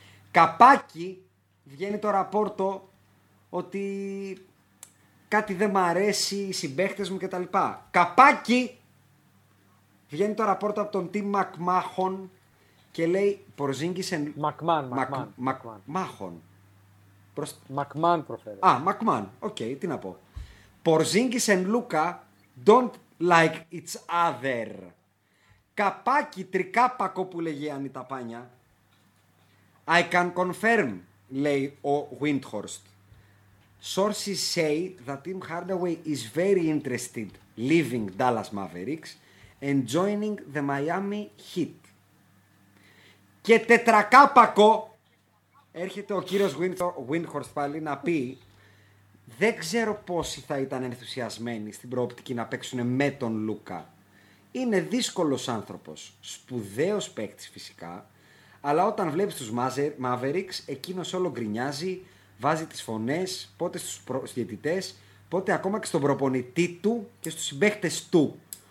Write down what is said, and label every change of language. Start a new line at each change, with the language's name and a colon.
Greek: Καπάκι βγαίνει το ραπόρτο ότι κάτι δεν μ' αρέσει, οι συμπαίχτες μου κτλ. Καπάκι βγαίνει το ραπόρτο από τον Tim McMahon. Και λέει Porzingis and... McMahon. McMahon προφέρει. Α, McMahon. Okay, τι να πω.
English: Porzingis and Luca don't like each other.
Greek: Καπάκι τρικάπακο που λέγει η Ανίτα Πάνια.
English: I can confirm,
Greek: λέει ο
English: Windhorst. Sources say that Tim Hardaway is very interested leaving Dallas Mavericks and joining the Miami Heat.
Greek: Και τετρακάπακο έρχεται ο κύριος Windhorst πάλι να πει δεν ξέρω πόσοι θα ήταν ενθουσιασμένοι στην προοπτική να παίξουν με τον Λούκα. Είναι δύσκολος άνθρωπος, σπουδαίος παίκτης φυσικά, αλλά όταν βλέπεις τους Mavericks, εκείνος όλο γκρινιάζει, βάζει τις φωνές, πότε στους διαιτητές, πότε ακόμα και στον προπονητή του και στους συμπαίκτες του.